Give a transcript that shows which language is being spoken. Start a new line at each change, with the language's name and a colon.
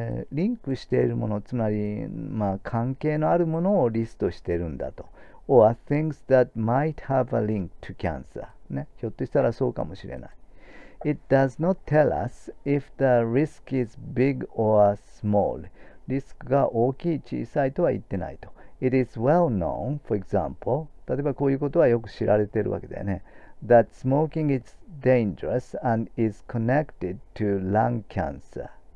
Japanese: リンクしているもの、つまり、まあ、関係のあるものをリストしているんだと。
English: Or things that might have a link to cancer。
Japanese: ね、ひょっとしたらそうかもしれない。
English: It does not tell us if the risk is big or small。
Japanese: リスクが大きい、小さいとは言ってないと。
English: It is well known, for example、
Japanese: 例えばこういうことはよく知られてるわけだよね。
English: That smoking is dangerous and is connected to lung cancer。